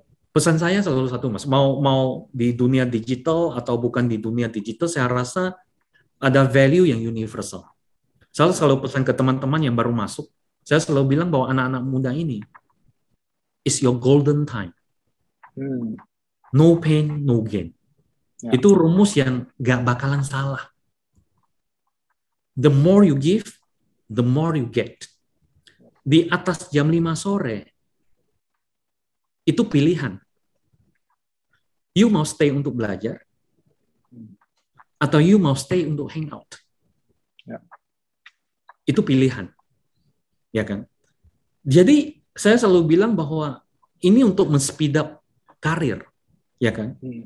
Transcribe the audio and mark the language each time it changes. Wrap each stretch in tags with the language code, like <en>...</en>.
<id>Pesan saya selalu satu, Mas. Mau di dunia digital atau bukan di dunia digital, saya rasa ada value yang universal. Saya selalu pesan ke teman-teman yang baru masuk, saya selalu bilang bahwa anak-anak muda ini,</id> <en>it's your golden time. No pain, no gain.</en> <id>Itu rumus yang gak bakalan salah.</id> <en>The more you give, the more you get.</en> <id>Di atas jam 5 sore, itu pilihan. You mau stay untuk belajar, atau you mau stay untuk hang out. Itu pilihan. Ya kan? Jadi, saya selalu bilang bahwa ini untuk men-speed up karir. Ya kan?</id>